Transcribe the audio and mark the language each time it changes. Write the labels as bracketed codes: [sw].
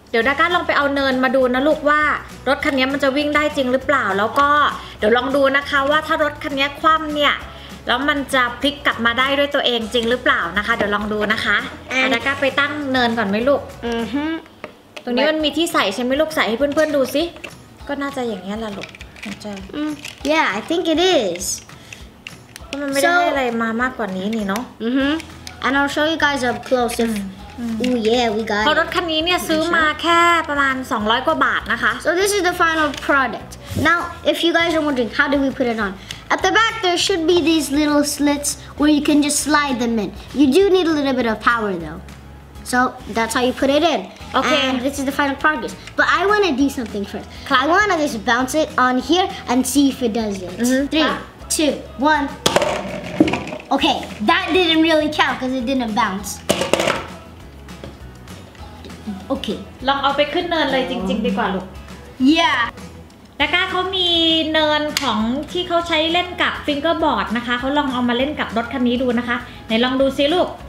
[th] เดี๋ยวดาก้าลองไปเอาเนินมาดูนะลูกว่ารถคันนี้มันจะวิ่งได้จริงหรือเปล่าแล้วก็เดี๋ยวลองดูนะคะว่าถ้ารถคันนี้คว่ำเนี่ยแล้วมันจะพลิกกลับมาได้ด้วยตัวเองจริงหรือเปล่านะคะเดี๋ยวลองดูนะคะดาก้าไปตั้งเนินก่อนไหมลูกตรงนี้มันมีที่ใส่ใช่ไหมลูกใส่ให้เพื่อนๆดูสิก็น่าจะอย่างนี้ล่ะลูกน่าจะ [en] Yeah I think it is [th] เพราะมันไม่ได้ให้อะไรมามากกว่านี้นี่เนาะ [en] And I'll show you guys up close Oh yeah we got [th] รถคันนี้เนี่ยซื้อมาแค่ประมาณ200กว่าบาทนะคะ [en] So this is the final product Now if you guys are wondering how do we put it on at the back there should be these little slits where you can just slide them in you do need a little bit of power though so that's how you put it in Okay. And this is the final progress. But I want to do something first. Clap. I want to just bounce it on here and see if it does it. Mm-hmm. Three, two, one. Okay, that didn't really count because it didn't bounce. Okay. [th] ลองเอาไปขึ้นเนินเลยจริงๆดีกว่าลูก [en] Yeah. [th] ดาก้าเขามีเนินของที่เขาใช้เล่นกับฟิงเกอร์บอร์ดนะคะเขาลองเอามาเล่นกับรถคันนี้ดูนะคะไหนลองดูซิลูก